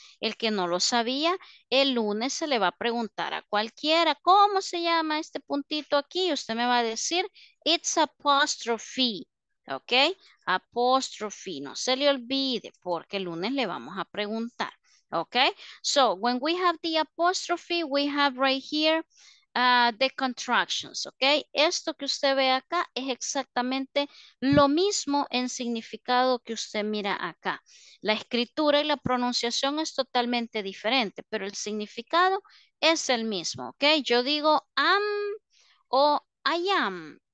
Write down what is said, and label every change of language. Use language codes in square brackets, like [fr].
[es] El que no lo sabía, el lunes se le va a preguntar a cualquiera, ¿cómo se llama este puntito aquí? Usted me va a decir, [en] it's apostrophe, [es] ¿Ok? Apóstrofe. No se le olvide porque el lunes le vamos a preguntar. ¿Ok? [en] So, when we have the apostrophe, we have right here the contractions. ¿Ok? [es] Esto que usted ve acá es exactamente lo mismo en significado que usted mira acá. La escritura y la pronunciación es totalmente diferente, pero el significado es el mismo. ¿Ok? Yo digo am o I am.